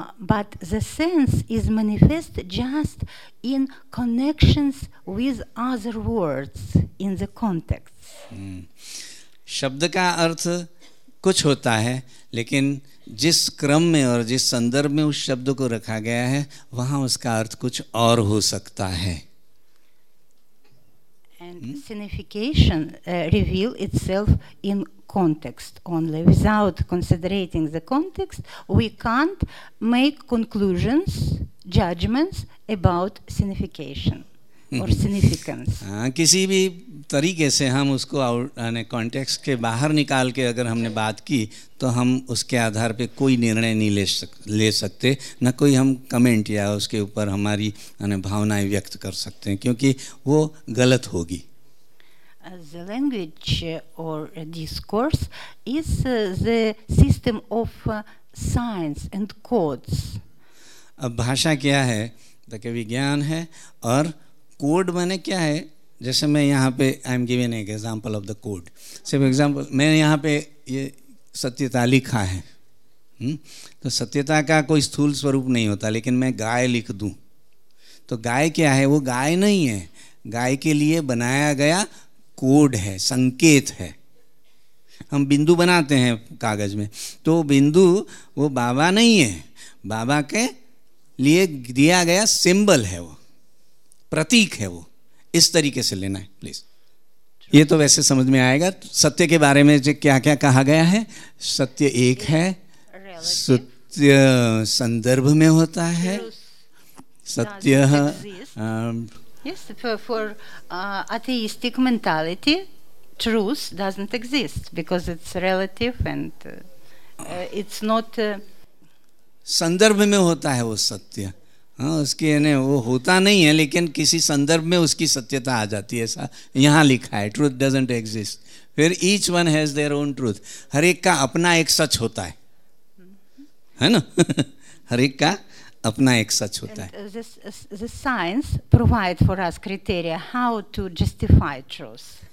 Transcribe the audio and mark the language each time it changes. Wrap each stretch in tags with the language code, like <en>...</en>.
<en>But the sense is manifest just in connections with other words in the context.</en> <hi>शब्द का अर्थ कुछ होता है, लेकिन जिस क्रम में और जिस संदर्भ में उस शब्द को रखा गया है वहाँ उसका अर्थ कुछ और हो सकता है.</hi> <en>And signification reveal itself in context only. Without considering the context, we can't make conclusions, judgments about signification or significance.</en> <hi>हाँ, किसी भी तरीके से हम उसको context के बाहर निकाल के अगर हमने बात की तो हम उसके आधार पे कोई निर्णय नहीं ले सकते, ना कोई हम comment या उसके ऊपर हमारी भावनाएं व्यक्त कर सकते हैं, क्योंकि वो गलत होगी.</hi> <en>The language or discourse is the system of signs and codes.</en> <hi>अब भाषा क्या है? ताकि विज्ञान है. और कोड माने क्या है? जैसे मैं यहाँ पे</hi> <en>I am giving एक example of the code.</en> <hi>सिर्फ एग्जांपल, मैं यहाँ पे ये सत्यता लिखा है. तो सत्यता का कोई स्थूल स्वरूप नहीं होता, लेकिन मैं गाय लिख दूँ तो गाय क्या है? वो गाय नहीं है. गाय के लिए बनाया गया कोड है, संकेत है. हम बिंदु बनाते हैं कागज में, तो बिंदु वो बाबा नहीं है. बाबा के लिए दिया गया सिंबल है, वो प्रतीक है. वो इस तरीके से लेना है प्लीज. ये तो वैसे समझ में आएगा. सत्य के बारे में जो क्या क्या कहा गया है, सत्य एक है, सत्य संदर्भ में होता है, सत्य</hi> <en>Yes, for atheistic mentality, truth doesn't exist because it's relative and it's not.</en> <hi>संदर्भ में होता है वो सत्य. हाँ, उसकी वो होता नहीं है, लेकिन किसी संदर्भ में उसकी सत्यता आ जाती है. ऐसा यहाँ लिखा है,</hi> <en>truth doesn't exist. फिर each one has their own truth.</en> <hi>हर एक का अपना एक सच होता है, है ना? हर एक का अपना एक सच होता है.</hi> <en>The science provide for us criteria how to justify truth.</en>